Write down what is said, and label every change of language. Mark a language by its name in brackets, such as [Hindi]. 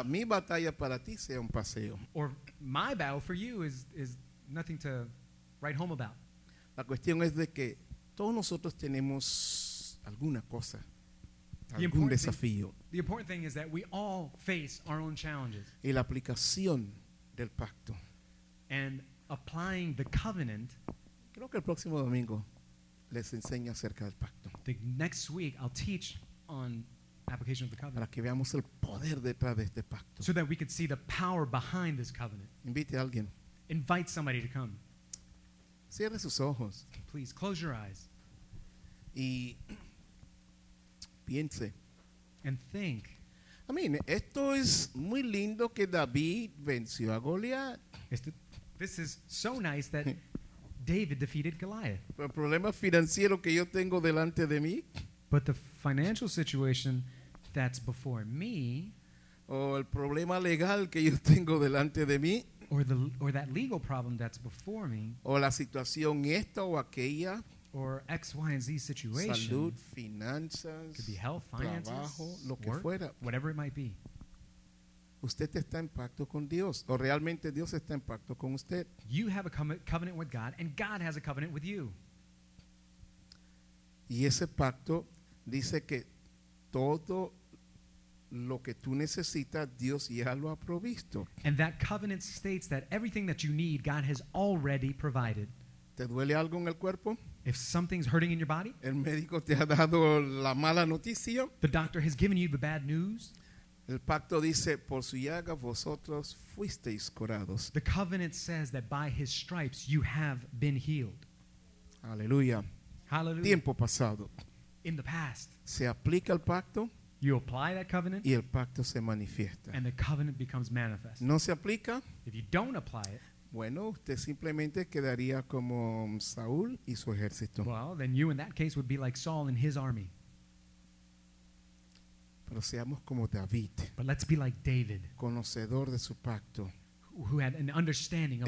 [Spanish] O quizás mi batalla para ti sea un paseo. [English] Or my battle for you is nothing to write home about. [Spanish] La cuestión es de que todos nosotros tenemos alguna cosa, algún desafío. [English] The important thing is that we all face our own challenges. [Spanish] Y la aplicación del pacto. [English] And applying the covenant. [Spanish] Creo que el próximo domingo les enseño acerca del pacto. [English] The next week I'll teach on application of the covenant. [Spanish] Para que veamos el poder detrás de este pacto. [English] So that we could see the power behind this covenant. [Spanish] Invite a alguien. [English] Invite somebody to come. [Spanish] Cierre sus ojos. [English] Please close your eyes. [Spanish] Y piense. [English] And think. I mean, [Spanish] esto es muy lindo que David venció a Goliat. [English] This is so nice that David defeated Goliath. [Spanish] El problema financiero que yo tengo delante de mí. [English] But the financial situation that's before me. [Spanish] O el problema legal que yo tengo delante de mí. [English] Or that legal problem that's before me. [Spanish] O la situación esta o aquella. [English] Or X, Y, and Z situation. [Spanish] Salud, finanzas. [English] Could be health, finances. [Spanish] Trabajo, lo [English] work, [Spanish] que fuera. [English] Whatever it might be. [Spanish] Usted está en pacto con Dios. O realmente Dios está en pacto con usted. [English] You have a covenant with God, and God has a covenant with you. [Spanish] Y ese pacto dice que todo lo que tú necesitas, Dios ya lo ha provisto. [English] And that covenant states that everything that you need, God has already provided. [Spanish] ¿Te duele algo en el cuerpo? [English] If something's hurting in your body, [Spanish] el médico te ha dado la mala noticia. [English] The doctor has given you the bad news. [Spanish] El pacto dice, por su llaga vosotros fuisteis curados. [English] The covenant says that by his stripes you have been healed. [Spanish] Aleluya. [English] Hallelujah. [Spanish] Tiempo pasado. [English] In the past. [Spanish] Se aplica el pacto. [English] You apply that covenant. [Spanish] Y el pacto se manifiesta. [English] And the covenant becomes manifest. [Spanish] No se aplica. [English] If you don't apply it. [Spanish] Bueno, usted simplemente quedaría como Saúl y su ejército. [English] Well, then you in that case would be like Saul and his army. [Spanish] Pero seamos como David. [English] But let's be like David. [Spanish] Conocedor de su pacto. [English] Who had an understanding of